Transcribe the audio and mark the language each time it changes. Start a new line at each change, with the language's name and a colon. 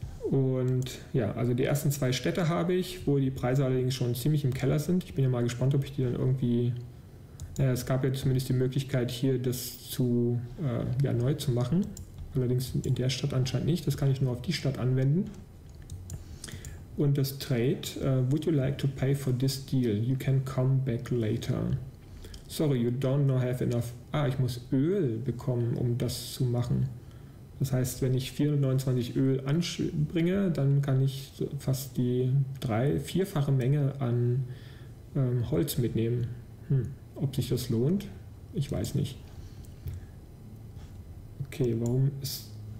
German: Und ja, also die ersten zwei Städte habe ich, wo die Preise allerdings schon ziemlich im Keller sind. Ich bin ja mal gespannt, ob ich die dann irgendwie. Naja, es gab ja zumindest die Möglichkeit, hier das zu ja, neu zu machen. Allerdings in der Stadt anscheinend nicht. Das kann ich nur auf die Stadt anwenden. Und das
English: Trade, would you like to pay for this deal? You can come back later. Sorry, you don't know have enough.
German: Ah, ich muss Öl bekommen, um das zu machen. Das heißt, wenn ich 429 Öl anbringe, dann kann ich fast die vierfache Menge an Holz mitnehmen. Ob sich das lohnt? Ich weiß nicht. Okay, warum ist